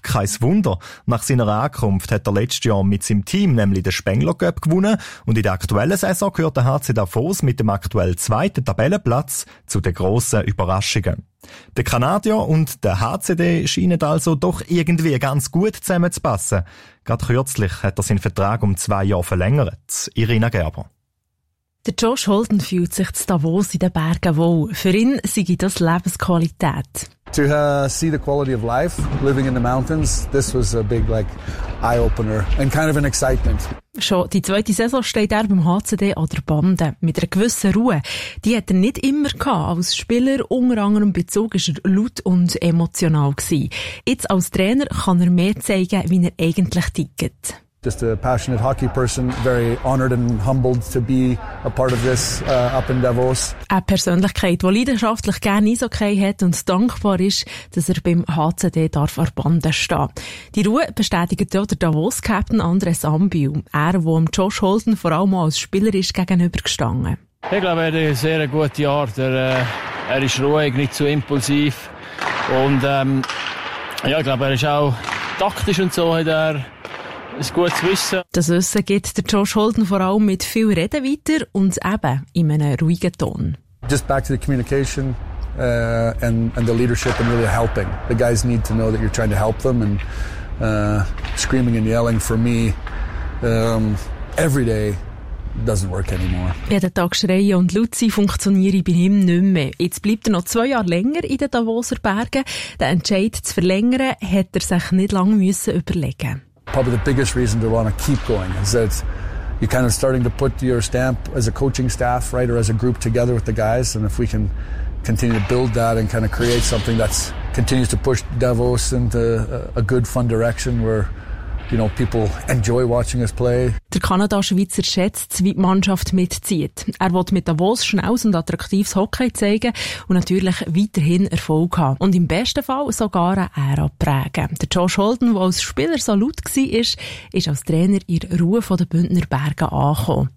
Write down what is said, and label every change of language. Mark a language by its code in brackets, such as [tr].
[de] Kein Wunder, nach seiner Ankunft hat er letztes Jahr mit seinem Team nämlich den Spengler Cup gewonnen und in der aktuellen Saison gehört der HC Davos mit dem aktuell zweiten Tabellenplatz zu den grossen Überraschungen. Der Kanadier und der HCD scheinen also doch irgendwie ganz gut zusammenzupassen. Gerade kürzlich hat er seinen Vertrag um 2 Jahre verlängert. Irina Gerber. Der Josh Holden fühlt sich zu Davos in den Bergen wohl. Für ihn sei das Lebensqualität. [en] To see the quality of life living in the mountains, this was a big like eye-opener and kind of an excitement. [de] Schon die zweite Saison steht er beim HCD an der Bande. Mit einer gewissen Ruhe. Die hat er nicht immer gehabt. Als Spieler, unter anderem Bezug, ist er laut und emotional gewesen. Jetzt als Trainer kann er mehr zeigen, wie er eigentlich tickt. [en] Just a passionate hockey person, very honored and humbled to be a part of this up in Davos. [de] Eine Persönlichkeit, die leidenschaftlich gerne Eishockey hat und dankbar ist, dass er beim HCD darf an Bande stehen. Die Ruhe bestätigt auch der Davos-Captain Andres Ambiu, er, der Josh Holden vor allem als Spieler ist, gegenübergestanden. Ich glaube, er hat eine sehr gute Art. Er ist ruhig, nicht zu impulsiv. Und ja, ich glaube, er ist auch taktisch und so, hat er ist gut zu wissen. Das Wissen geht der Josh Holden vor allem mit viel Reden weiter und eben in einem ruhigen Ton. [en] Just back to the communication and the leadership and really helping. The guys need to know that you're trying to help them and screaming and yelling for me every day doesn't work anymore. [de] Jeden Tag schreien und laut sein funktioniere bei ihm nicht mehr. Jetzt bleibt er noch 2 Jahre länger in den Davoser Bergen. Den Entscheid zu verlängern, hat er sich nicht lange müssen überlegen. [en] Probably the biggest reason to want to keep going is that you're kind of starting to put your stamp as a coaching staff, right, or as a group together with the guys. And if we can continue to build that and kind of create something that's continues to push Davos into a good fun direction where, you know, people enjoy watching us play. [de] Der Kanada-Schweizer schätzt, wie die Mannschaft mitzieht. Er will mit Davos schnelles und attraktives Hockey zeigen und natürlich weiterhin Erfolg haben. Und im besten Fall sogar eine Ära prägen. Der Josh Holden, der als Spieler so laut war, ist als Trainer in Ruhe von den Bündner Bergen angekommen.